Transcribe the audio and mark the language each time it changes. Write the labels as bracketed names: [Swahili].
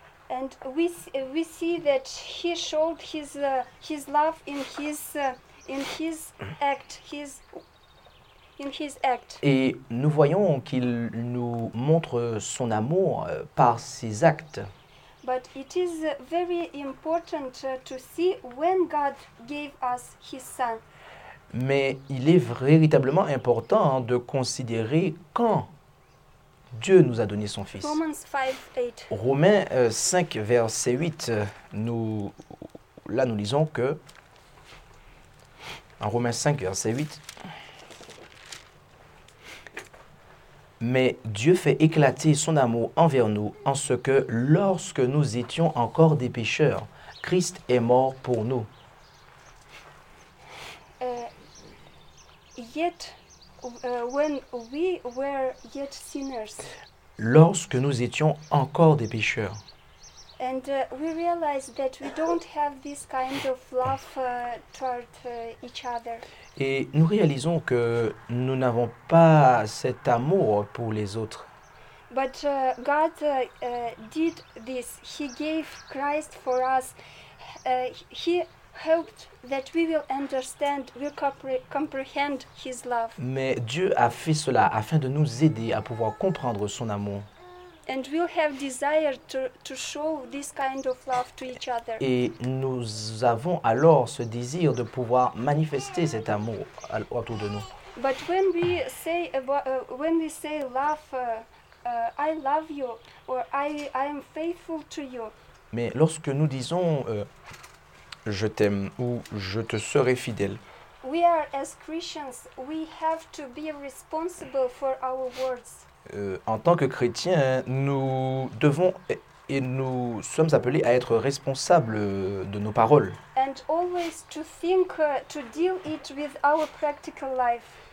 [English] And we see that he showed his love in his act, his act. [French] Et nous voyons qu'il nous montre son amour par ses actes. [English] But it is very important to see when God gave us his son. [French] Mais il est véritablement important de considérer quand Dieu nous a donné son fils. [English] Romans 5:8. [French] Romains 5 verset 8, nous lisons que en Romains 5 verset 8, mais Dieu fait éclater son amour envers nous en ce que lorsque nous étions encore des pécheurs, Christ est mort pour nous. [English] Yet when we were yet sinners. [French] Lorsque nous étions encore des pécheurs. [English] And we realize that we don't have this kind of love toward each other. [French] Et nous réalisons que nous n'avons pas cet amour pour les autres. [English] But God did this. He gave Christ for us. He hoped that we will understand, will comprehend his love. [French] Mais Dieu a fait cela afin de nous aider à pouvoir comprendre son amour. [English] And we'll have desire to show this kind of love to each other. [French] Et nous avons alors ce désir de pouvoir manifester cet amour autour de nous. [English] But when we say love, I love you, or I am faithful to you. [French] Mais lorsque nous disons je t'aime ou je te serai fidèle. [English] We are as Christians, we have to be responsible for our words. [French] En tant que chrétiens, nous devons et nous sommes appelés à être responsables de nos paroles. [English] And always to think, to deal it with our practical life.